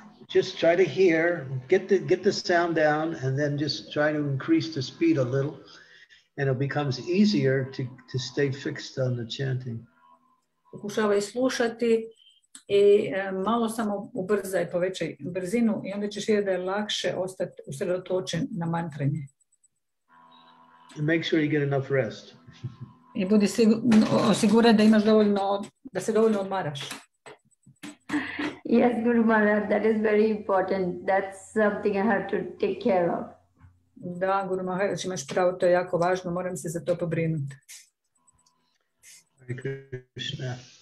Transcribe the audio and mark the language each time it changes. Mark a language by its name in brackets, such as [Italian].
[English] Just try to hear, get the sound down, and then just try to increase the speed a little, and it becomes easier to stay fixed on the chanting. [Croatian] Pokušavaj slušati I malo samo ubrzaj, povećaj brzinu I onda ćeš vidjeti da je lakše ostati usredotočen na mantranje. [English] And make sure you get enough rest. [Croatian] I budi siguran da imaš dovoljno, da se dovoljno odmaraš. [English] Yes, Guru Maharaj, that is very important. That's something I have to take care of. [Croatian] Da, Guru Maharaj, imaš pravo, to je jako važno, moram se za to pobrinuti. [Sanskrit] Hare Krishna.